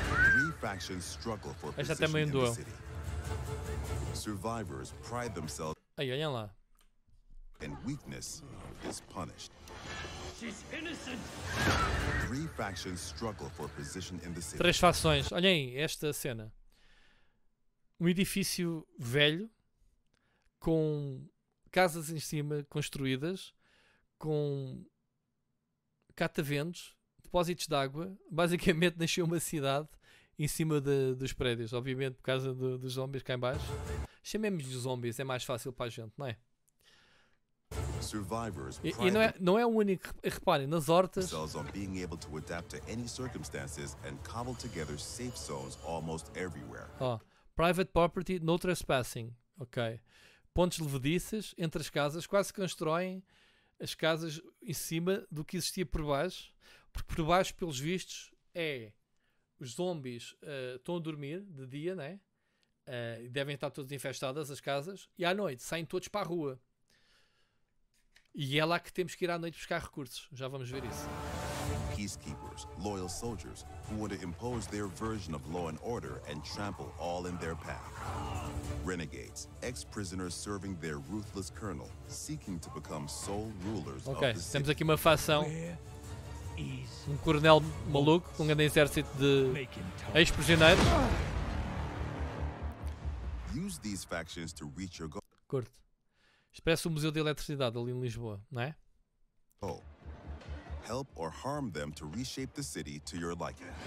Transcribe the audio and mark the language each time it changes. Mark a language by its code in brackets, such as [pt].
[en] Three factions struggle for position in the city. Survivors pride themselves. [pt] Ai, olha lá. [en] And weakness is punished. She's innocent. Three factions struggle for position in the city. [pt] Três facções. Olhem aí esta cena. Um edifício velho com casas em cima construídas, com cataventos, depósitos de água. Basicamente nasceu uma cidade em cima dos prédios, obviamente por causa dos zombies cá em baixo. Chamemos de zombies, é mais fácil para a gente, não é? [en] Survivors, [pt] e não é o único. Reparem, nas hortas [en] on being able to adapt to any circumstances and cobble together safe zones almost everywhere. Oh, private property, no trespassing. Ok. [pt] Pontes levediças entre as casas, quase constroem as casas em cima do que existia por baixo, porque por baixo, pelos vistos, é os zombies estão a dormir de dia, né? Devem estar todas infestadas as casas, e à noite saem todos para a rua. E é lá que temos que ir à noite buscar recursos. Já vamos ver isso. [en] Peacekeepers, loyal soldiers, who want to impose their version of law and order and trample all in their path. Renegades, ex-prisoners serving their ruthless colonel, seeking to become sole rulers of the city. [pt] Temos aqui uma facção. Um coronel maluco com um grande exército de ex-prisioneiros. [en] Use these factions to reach your goal. [pt] Curto. Expresso o Museu de Eletricidade ali em Lisboa, não é? Oh. [en] Help or harm them to reshape the city to your liking.